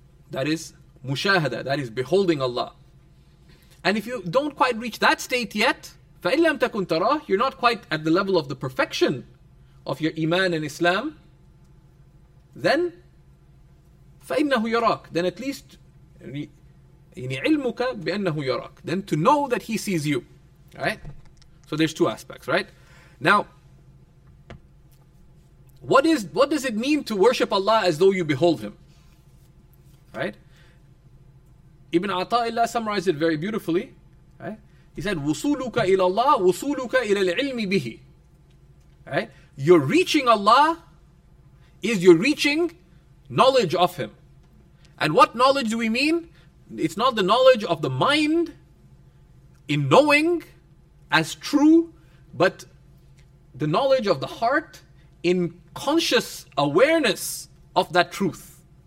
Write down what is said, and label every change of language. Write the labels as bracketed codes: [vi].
[en] That is mushahada, that is beholding Allah. And if you don't quite reach that state yet, [ar] فَإِنْ لَمْ تَكُنْ تَرَاهُ [en] you're not quite at the level of the perfection of your Iman and Islam, then [ar] فَإِنَّهُ يَرَاكُ [en] then at least [ar] عِلْمُكَ بِأَنَّهُ يَرَاكُ [en] then to know that he sees you, right? So there's two aspects, right? Now, what does it mean to worship Allah as though you behold him? Right? Ibn Ata'illah summarized it very beautifully, right? He said, [ar] وُصُولُكَ إِلَى اللَّهِ وُصُولُكَ إِلَى الْعِلْمِ بِهِ [en] Right? You're reaching Allah is you're reaching knowledge of Him. And what knowledge do we mean? It's not the knowledge of the mind in knowing as true, but the knowledge of the heart in conscious awareness of that truth.